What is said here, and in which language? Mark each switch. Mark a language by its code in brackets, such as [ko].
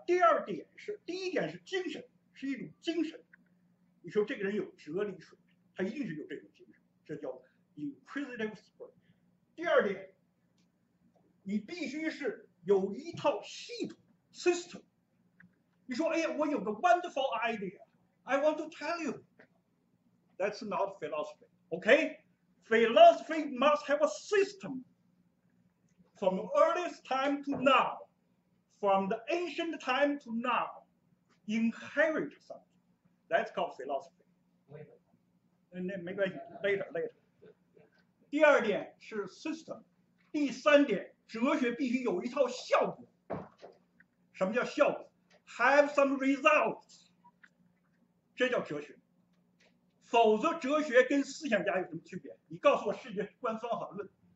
[zh] 第二点是，第一点是精神，是一种精神。你说这个人有哲理水平，他一定是有这种精神，这叫 [en] inquisitive spirit。 [zh] 第二点。你必须是有一套系统 system。你说，哎呀，我有个 [en] wonderful idea， I want to tell you。 That's not philosophy， OK？ Philosophy must have a system. From earliest time to now, from the ancient time to now, inherit something. That's called philosophy. [zh] 那没关系 ， [en] later。 [zh] 第二点是 system， 第三点。哲学必须有一套效果。什么叫效果 ？ [en] Have some results， [zh] 这叫哲学。否则，哲学跟思想家有什么区别？你告诉我世界观方法论。